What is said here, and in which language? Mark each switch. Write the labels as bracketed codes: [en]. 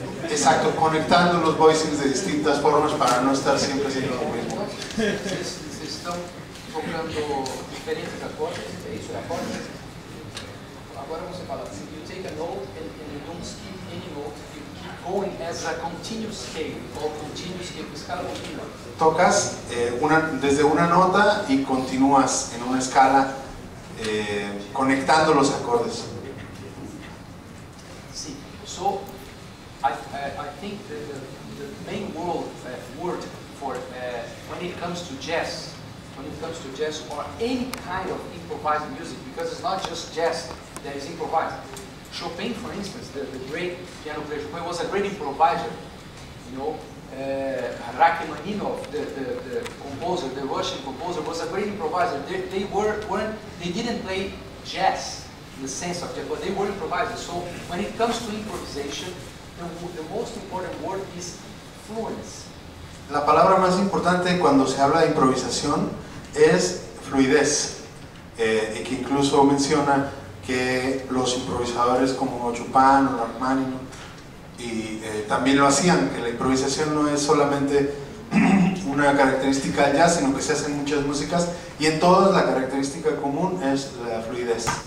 [es] Exacto, conectando los voices de distintas formas para no estar siempre haciendo lo mismo. Se están tocando diferentes acordes, se hizo el acorde. Ahora vamos a hablar. [en] Si you take a note and you don't skip any note, you keep going as a continuous scale or continuous scale, [es] escala continua. Tocas desde una nota y continúas en una escala conectando los acordes. [en] Sí, so I think the main word for when it comes to jazz, when it comes to jazz or any kind of improvised music, because it's not just jazz that is improvised. Chopin, for instance, the great piano player Chopin, was a great improviser. You know, Rachmaninoff, the composer, the Russian composer, was a great improviser. They didn't play jazz in the sense of jazz, but they were improvisers. So when it comes to improvisation, the most important word is fluence. [es] La palabra más importante cuando se habla de improvisación es fluidez, y que incluso menciona que los improvisadores como Chopin o Rachmaninoff y también lo hacían, que la improvisación no es solamente una característica del jazz, sino que se hacen muchas músicas y en todas la característica común es la fluidez.